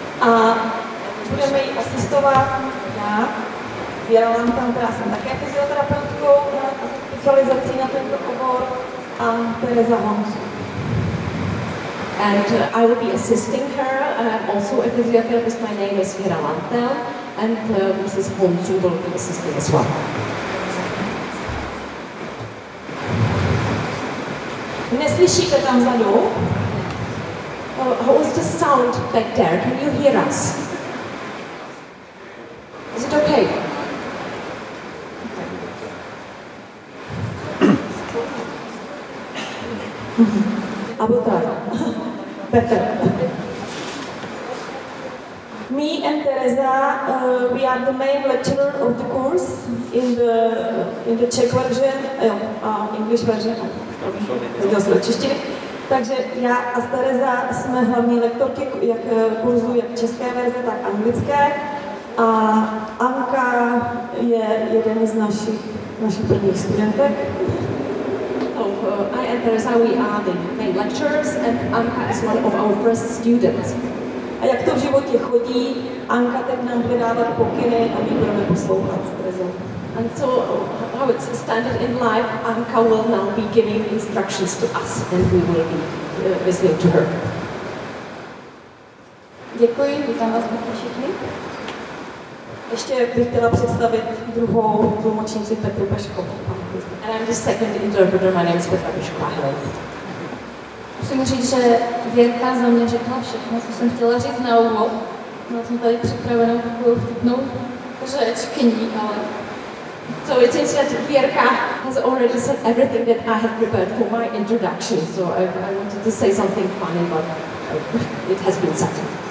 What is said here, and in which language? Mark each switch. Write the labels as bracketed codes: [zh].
[cs] A budeme ji asistovat já, Věra Lantan, která jsem také fyzioterapeutkou specializací na tento obor, a Tereza Honzu. [en] And I will be assisting her, also a physiotherapist. My name is Vera Lantel, and Mrs. Honzu will be assisting as well. [cs] Neslyšíte tam vzadu? [en] How is the sound back there? Can you hear us? Is it okay? Abutar. Me and Teresa, we are the main lecturer of the course in the Czech version, English version. [cs] Takže já a Teresa jsme hlavní lektorky jak kurzu, jak české verze, tak anglické. A Anka je jeden z našich prvních studentek. [en] I and Teresa, we are the main lecturers, and Anka is one of our first students. [cs] A jak to v životě chodí, Anka teď nám bude dávat pokyny a my budeme poslouchat s Terezou. [en] And so, how it's standard in life, Anka will now be giving instructions to us, and we will be listening to her. [cs] Děkuji, vítám vás všichni. Ještě bych chtěla představit druhou tlumočnici Petru Peškovou. [en] And I'm the second interpreter, my name is Petra Peškova. [cs] Musím říct, že Věrka za mě řekla všechno, co jsem chtěla říct na úvod. Měla jsem tady připravenou takovou vtipnou řeč k ní, ale... [en] So it seems that Věrka has already said everything that I have prepared for my introduction, so I wanted to say something funny, but it has been said.